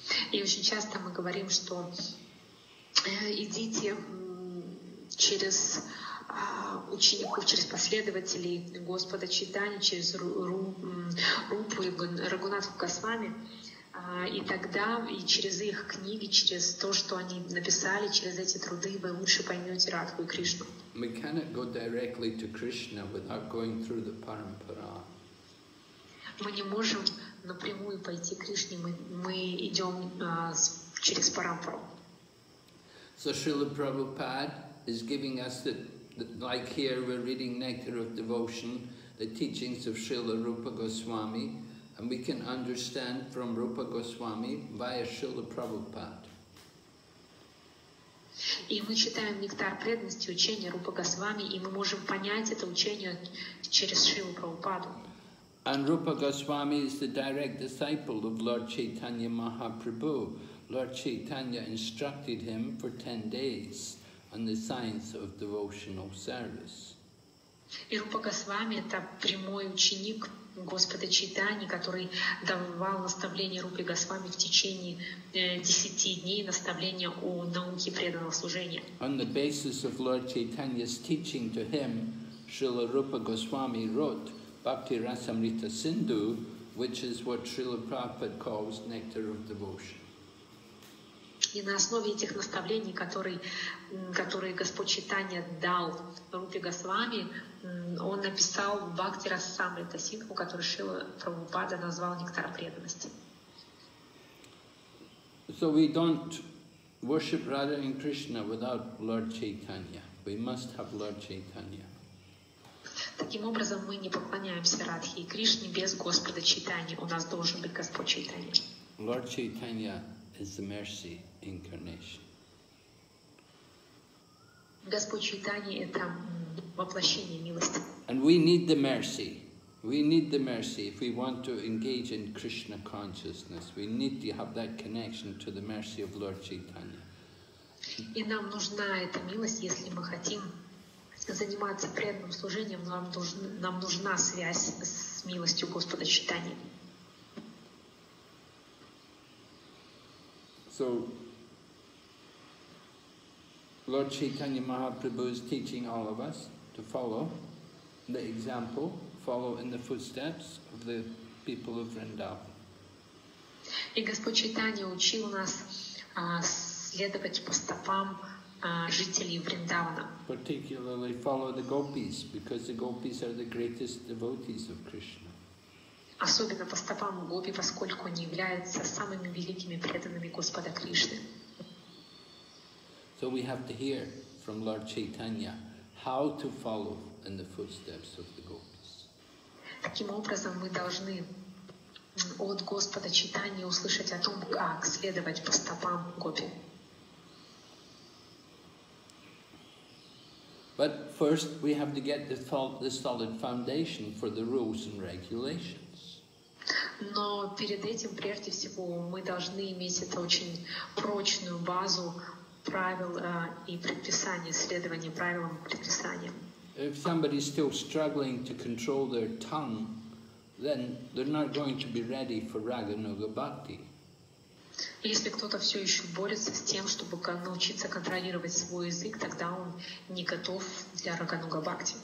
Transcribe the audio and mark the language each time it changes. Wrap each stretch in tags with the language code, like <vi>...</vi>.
<ru>И очень часто мы говорим, что идите через учеников, через последователей Господа Чайтаньи, через Рупу и Рагунатху Госвами, и тогда, и через их книги, через то, что они написали, через эти труды, вы лучше поймете Радху и Кришну.</ru> <en>We cannot go directly to Krishna without going through the Parampara.</en> <ru>Мы не можем напрямую пойти к Кришне, мы идем через Парампару.</ru> <en>So Srila Prabhupada is giving us that, like here we're reading Nectar of Devotion, the teachings of Srila Rupa Goswami, and we can understand from Rupa Goswami via Srila Prabhupada.</en> <ru>И мы читаем Нектар преданности, учение Рупа Госвами, и мы можем понять это учение через Шрилу Прабхупаду.</ru> <en>And Rupa Goswami is the direct disciple of Lord Chaitanya Mahaprabhu. Lord Chaitanya instructed him for 10 days on the science of devotional service.</en> <ru>И Рупа Госвами — это прямой ученик Господа Чайтаньи, который давал наставление Рупе Госвами в течение 10 дней, наставление о науке преданного служения.</ru> <en>On the basis of Lord Chaitanya's teaching to him, Srila Rupa Goswami wrote Bhakti Rasamrita Sindhu, which is what Srila Prabhupada calls Nectar of Devotion.</en> <ru>И на основе этих наставлений, которые Господь Чайтанья дал Рупе Госвами, он написал Бхакти Расамрита Сингху, который Шрила Прабхупада назвал Нектар преданности.</ru> <en>So we don't worship Radha and Krishna without Lord Chaitanya. We must have Lord Chaitanya.</en> <ru>Таким образом, мы не поклоняемся Радхе и Кришне без Господа Чайтаньи. У нас должен быть Господь Чайтанья.</ru> <en>Lord Chaitanya is the mercy incarnation.</en> <ru>Господь Чайтанья — это воплощение милости.</ru> <en>And we need the mercy. We need the mercy if we want to engage in Krishna consciousness. We need to have that connection to the mercy of Lord Chaitanya.</en> <ru>И нам нужна эта милость, если мы хотим заниматься преданным служением, нам нужна связь с милостью Господа Чайтаньи.</ru> <en>So, Lord Chaitanya Mahaprabhu is teaching all of us to follow the example, follow in the footsteps of the people of Vrindavan.</en> <ru>И Господь Чайтанья учил нас следовать по стопам жителей Вриндавана.</ru> <en>Particularly follow the gopis, because the gopis are the greatest devotees of Krishna.</en> <ru>Особенно по стопам гопи, поскольку они являются самыми великими преданными Господа Кришны.</ru> <en>So we have to hear from Lord Chaitanya how to follow in the footsteps of the gopis.</en> <ru>Таким образом, мы должны от Господа Чайтаньи услышать о том, как следовать по стопам гопи.</ru> <en>But first we have to get the solid foundation for the rules and regulations.</en> <ru>Но перед этим, прежде всего, мы должны иметь это очень прочную базу правил и предписаний, следования правилам и предписаниям.</ru> <en>If somebody is still struggling to control their tongue, then they're not going to be ready for Raganuga Bhakti.</en> <ru>Если кто-то все еще борется с тем, чтобы научиться контролировать свой язык, тогда он не готов для Рагануга Бхакти.</ru>